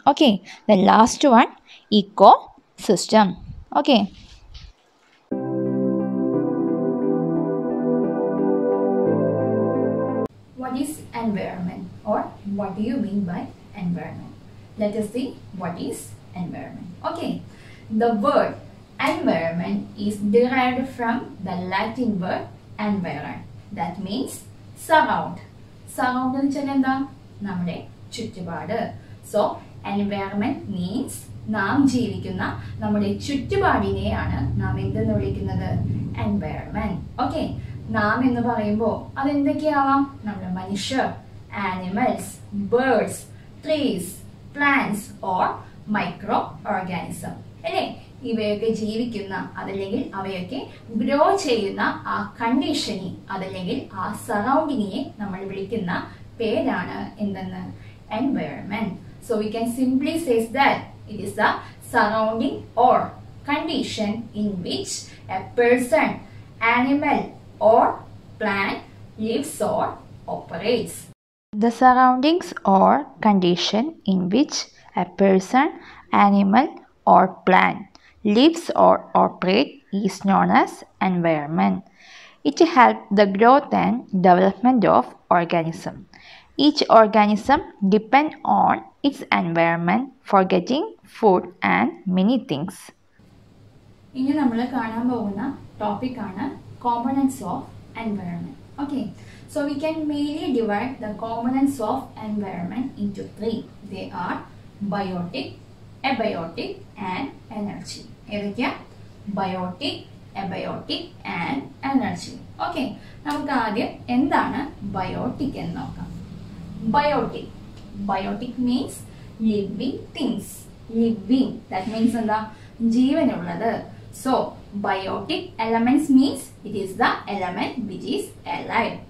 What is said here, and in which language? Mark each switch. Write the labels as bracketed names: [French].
[English] Okay, then last one ecosystem. Okay, what is environment or what do you mean by environment? Let us see what is environment. Okay, the word environment is derived from the Latin word environ, that means surround. [Malayalam] Surround എന്ന് വെച്ചാൽ എന്താ? നമ്മുടെ ചുറ്റുപാട്. [English] so environment means [Malayalam] നാം ജീവിക്കുന്ന നമ്മുടെ ചുറ്റുപാടിനെയാണ് നാം എന്തെന്ന് വിളിക്കുന്നത്? എൻവയോൺമെന്റ്. ഓക്കെ, നാം എന്ന് പറയുമ്പോൾ അതെന്തൊക്കെയാവാം? നമ്മുടെ മനുഷ്യർ, animals, birds, trees, plants or micro organism അല്ലേ. ഇവയൊക്കെ ജീവിക്കുന്ന അതല്ലെങ്കിൽ അവയൊക്കെ ഗ്രോ ചെയ്യുന്ന ആ കണ്ടീഷനെ അതല്ലെങ്കിൽ ആ സറൗണ്ടിങ്ങിനെ നമ്മൾ വിളിക്കുന്ന പേരാണ് എന്തെന്ന്? Environment. [English] So we can simply says that it is the surrounding or condition in which a person, animal or plant lives or operates. The surroundings or condition in which a person, animal or plant lives or operate is known as environment. It helps the growth and development of organism. Each organism depends on its environment for getting food and many things. [Malayalam] ഇനി നമ്മൾ കാണാൻ പോകുന്ന topic ആണ് [English] components of environment. Okay, so we can mainly divide the components of environment into three. They are biotic, abiotic and energy. [Malayalam] ഏതൊക്കെയാ? Biotic, abiotic and energy. Okay, നമുക്ക് ആദ്യം എന്താണ് biotic എന്ന് നോക്കാം. [English] Biotic, biotic means living things. Living that means [Malayalam] എന്താ? ജീവനുള്ളത്. [English] So biotic elements means it is the element which is alive.